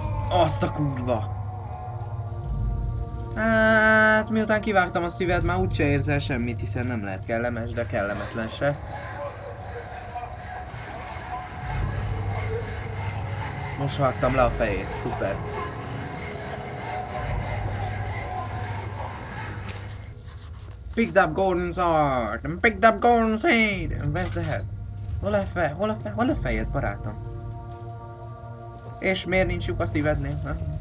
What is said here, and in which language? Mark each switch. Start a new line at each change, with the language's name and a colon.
Hungarian: Azt a kurva! Hát, miután kivágtam a szíved, már úgyse érzel semmit, hiszen nem lehet kellemes, de kellemetlen se. Most vágtam le a fejét, szuper.
English: Picked up Gordon's heart, picked up Gordon's head, and where's the head?
Hungarian: Hol a fejed, barátom? És miért nincs lyuk a szívednél, ha?